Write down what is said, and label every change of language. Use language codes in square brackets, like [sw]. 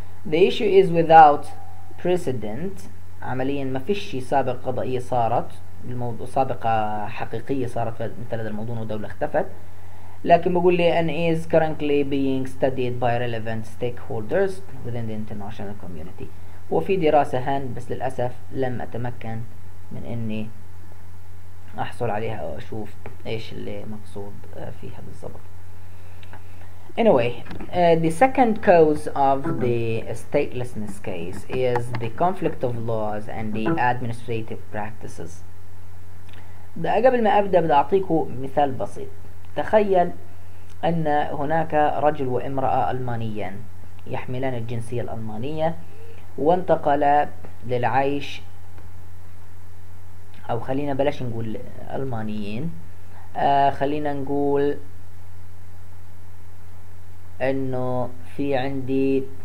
[en] The issue is without precedent. [ar] عمليا ما فيش شيء سابق قضائي صارت الموضوع, سابقة حقيقية صارت مثل هذا الموضوع ودولة اختفت. لكن بقول لي [en] and is currently being studied by relevant stakeholders within the international community. [ar] وفي دراسة هان, بس للأسف لم أتمكن من أني أحصل عليها أو أشوف إيش اللي مقصود فيها بالضبط. [en] Anyway, the second cause of the statelessness case is the conflict of laws and the administrative practices. [ar] ده قبل ما أبدأ بدي أعطيكم مثال بسيط. تخيل أن هناك رجل وامرأة ألمانيين يحملان الجنسية الألمانية وانتقلا للعيش, أو خلينا بلاش نقول ألمانيين, خلينا نقول انه في عندي,